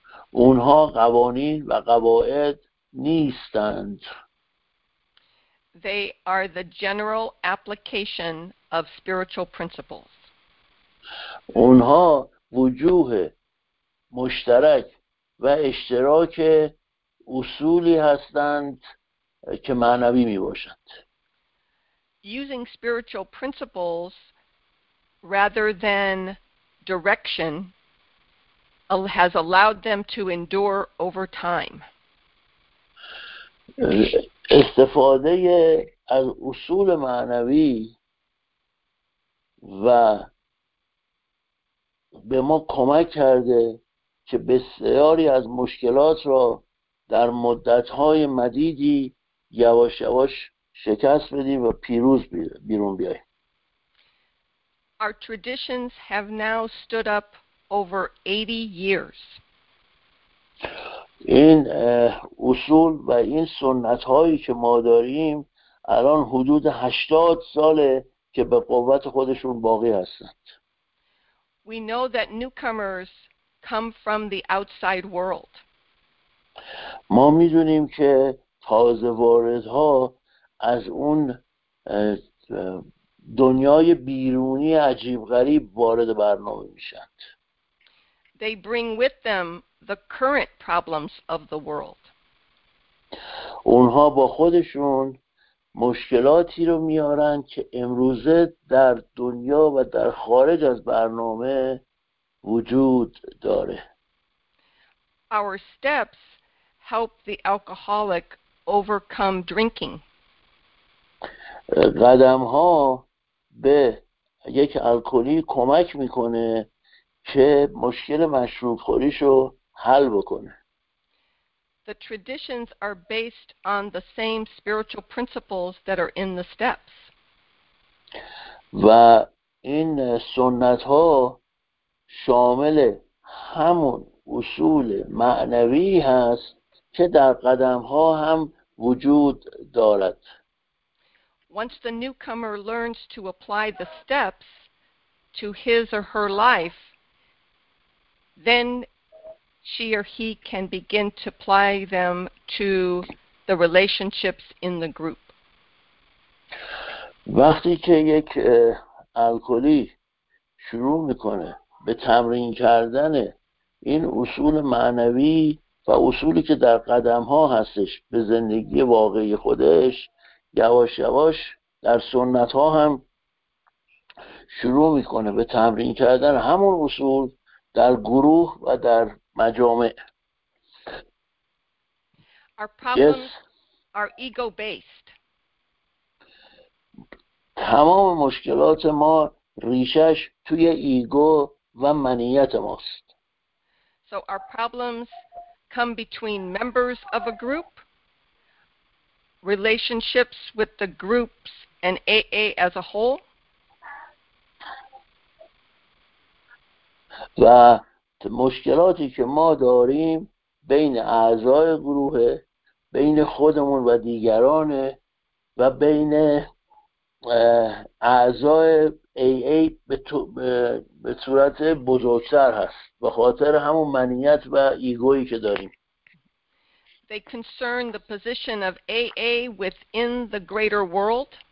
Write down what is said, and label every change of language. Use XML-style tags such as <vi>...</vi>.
<fa>اونها قوانین و قواعد نیستند.</fa> <en>They are the general application of spiritual principles.</en> <fa>اونها وجوه مشترک و اشتراک اصولی هستند که معنوی می باشند.</fa> <en>Using spiritual principles rather than direction has allowed them to endure over time.</en> <fa>استفاده از اصول معنوی و به ما کمک کرده که بسیاری از مشکلات را در مدت‌های مدیدی یواش یواش شکست بدیم و پیروز بیرون بیاییم.</fa> <en>Our traditions have now stood up over 80 years.</en> <fa>این اصول و این سنت هایی که ما داریم الان حدود 80 ساله که به قوت خودشون باقی هستند.</fa> <en>We know that newcomers come from the outside world.</en> <fa>ما میدونیم که تازه واردها از اون دنیای بیرونی عجیب غریب وارد برنامه میشند.</fa> <en>They bring with them the current problems of the world.</en> <fa>اونها با خودشون مشکلاتی رو میارن که امروزه در دنیا و در خارج از برنامه وجود داره.</fa> <en>Our steps help the alcoholic overcome drinking.</en> <fa>قدم ها به یک الکلی کمک میکنه که مشکل مشروب خوریش رو حل بکنه.</fa> <en>The traditions are based on the same spiritual principles that are in the steps.</en> <fa>و این سنت ها شامل همون اصول معنوی هست که در قدم ها هم وجود دارد.</fa> <en>Once the newcomer learns to apply the steps to his or her life, then she or he can begin to apply them to the relationships in the group.</en> <fa>وقتی که یک الکلی شروع میکنه به تمرین کردن این اصول معنوی و اصولی که در قدم ها هستش به زندگی واقعی خودش، یواش یواش در سنت ها هم شروع میکنه به تمرین کردن همون اصول در گروه و در مجامع.</fa> <en>Our problems yes. are ego-based.</en> <fa>تمام مشکلات ما ریشش توی ایگو و منیت ماست.</fa> <en>So our problems come between members of a group, relationships with the groups and AA as a whole.</en> <fa>و مشکلاتی که ما داریم بین اعضای گروه، بین خودمون و دیگران و بین اعضای AA به صورت بزرگتر هست به خاطر همون منیت و ایگویی که داریم.</fa> <en>They concern the position of AA within the greater world.</en>